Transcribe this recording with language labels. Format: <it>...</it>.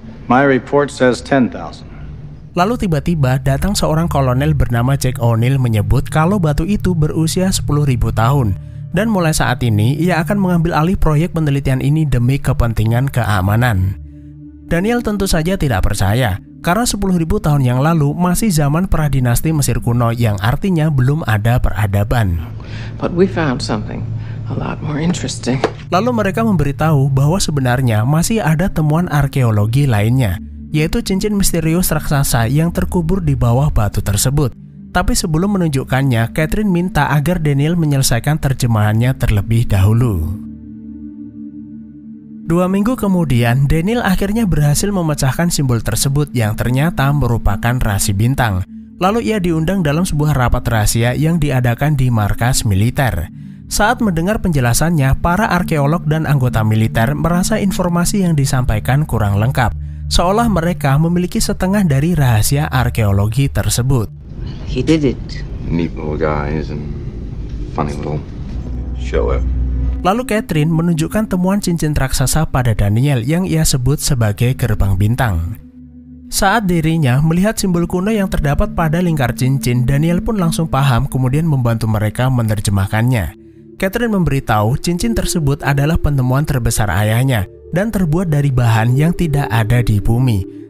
<en>My report says 10,000.</en> <id>Lalu tiba-tiba datang seorang kolonel bernama Jack O'Neill menyebut kalau batu itu berusia 10.000 tahun. Dan mulai saat ini, ia akan mengambil alih proyek penelitian ini demi kepentingan keamanan. Daniel tentu saja tidak percaya, karena 10.000 tahun yang lalu masih zaman pradinasti Mesir kuno yang artinya belum ada peradaban.</id> <en>But we found something a lot more interesting.</en> <id>Lalu mereka memberitahu bahwa sebenarnya masih ada temuan arkeologi lainnya, yaitu cincin misterius raksasa yang terkubur di bawah batu tersebut. Tapi sebelum menunjukkannya, Catherine minta agar Daniel menyelesaikan terjemahannya terlebih dahulu. 2 minggu kemudian, Daniel akhirnya berhasil memecahkan simbol tersebut yang ternyata merupakan rasi bintang. Lalu ia diundang dalam sebuah rapat rahasia yang diadakan di markas militer. Saat mendengar penjelasannya, para arkeolog dan anggota militer merasa informasi yang disampaikan kurang lengkap, seolah mereka memiliki setengah dari rahasia arkeologi tersebut.</id> <en>He did it. Neat little guy, isn't funny little show-up.</en> <id>Lalu Catherine menunjukkan temuan cincin raksasa pada Daniel yang ia sebut sebagai gerbang bintang. Saat dirinya melihat simbol kuno yang terdapat pada lingkar cincin, Daniel pun langsung paham kemudian membantu mereka menerjemahkannya. Catherine memberitahu cincin tersebut adalah penemuan terbesar ayahnya dan terbuat dari bahan yang tidak ada di bumi.</id>